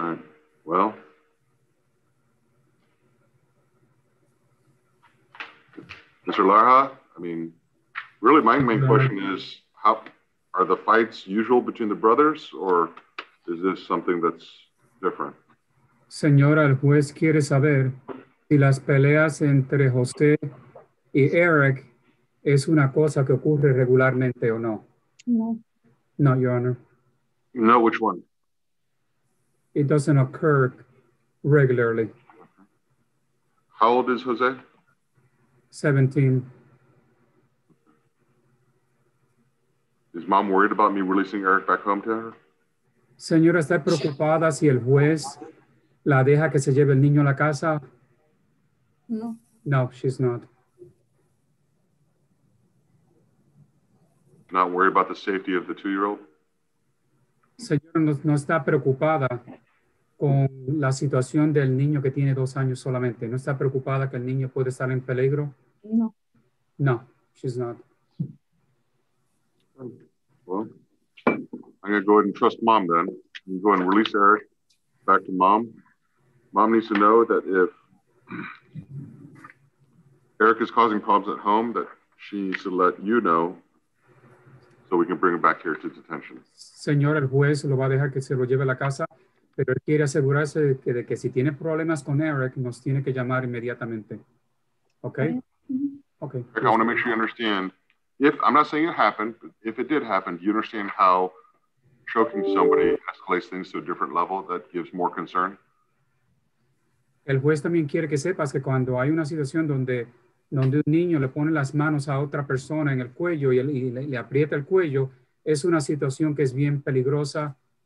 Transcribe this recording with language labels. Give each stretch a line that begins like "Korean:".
English: All right. Well, Mr. Larha, I mean, really my main question is, how are the fights usual between the brothers, or is this something that's different?
Spanish: Señora, el juez quiere saber si las peleas entre José y Eric es una cosa que ocurre regularmente o no. No.
English: No, Your Honor. No, which one? It doesn't occur regularly. How old is Jose? 17. Is Mom worried about me releasing Eric back home to her?
Spanish: Señora, ¿está preocupada si el juez la deja que se lleve el niño a la casa? No.
English: No, she's not. Not worried about the safety of the two-year-old?
Spanish: Señora, no está preocupada con la situación del niño que tiene 2 años solamente. ¿No está preocupada que el niño puede estar en peligro? No.
English: No, she's not. Well, I'm going to go ahead and trust Mom then. I'm going to go ahead and release Eric back to Mom. Mom needs to know that if Eric is causing problems at home, that she needs to let you know so we can bring him back here to detention.
Spanish: Señor, el juez lo va a dejar que se lo lleve a la casa, pero él quiere asegurarse de que si tiene problemas con Eric, nos tiene que llamar inmediatamente.
English: Okay? Okay. Eric, I want to make sure you understand. If I'm not saying it happened, but if it did happen, do you understand how choking somebody escalates things to a different level that gives more concern?
Spanish: El juez también quiere que sepas que cuando hay una situación donde un niño le pone las manos a otra persona en el cuello y le aprieta el cuello, es una situación que es bien peligrosa.